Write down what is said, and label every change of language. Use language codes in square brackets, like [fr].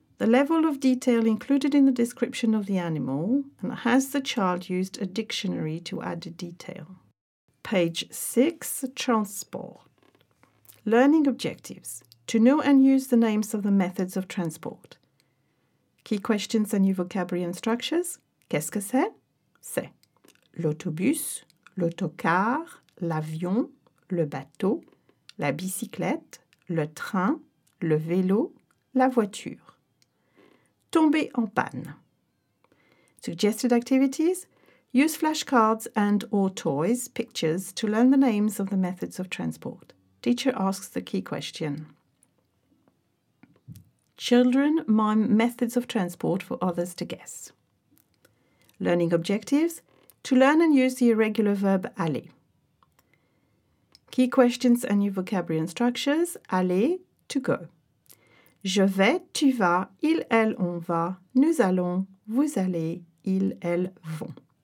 [en] The level of detail included in the description of the animal, and has the child used a dictionary to add detail? Page 6. Transport. Learning objectives. To know and use the names of the methods of transport. Key questions and new vocabulary and structures. [fr] Qu'est-ce que c'est? C'est l'autobus, l'autocar, l'avion, le bateau, la bicyclette, le train, le vélo, la voiture. Tomber en panne. [en] Suggested activities. Use flashcards and or toys, pictures, to learn the names of the methods of transport. Teacher asks the key question. Children mime methods of transport for others to guess. Learning objectives. To learn and use the irregular verb aller. Key questions and new vocabulary and structures. Aller, to go. [fr] Je vais, tu vas, il, elle, on va, nous allons, vous allez, ils, elles vont.